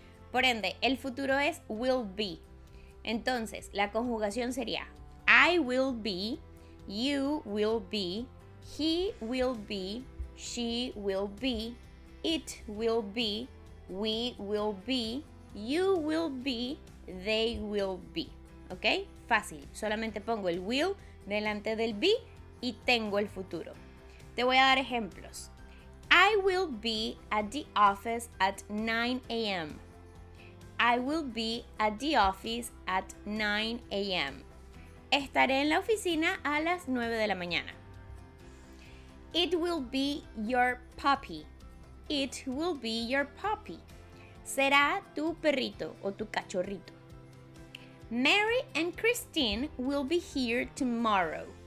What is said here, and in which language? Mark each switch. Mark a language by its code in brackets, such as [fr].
[es] Por ende, el futuro es [en] will be. [es] Entonces, la conjugación sería [en] I will be, you will be, he will be, she will be, it will be, we will be, you will be, they will be. [es] ¿Ok? Fácil. Solamente pongo el will delante del be y tengo el futuro. Te voy a dar ejemplos. [en] I will be at the office at 9 a.m. I will be at the office at 9 a.m. [es] Estaré en la oficina a las 9 de la mañana. [en] It will be your puppy. It will be your puppy. [es] Será tu perrito o tu cachorrito. [en] Mary and Christine will be here tomorrow.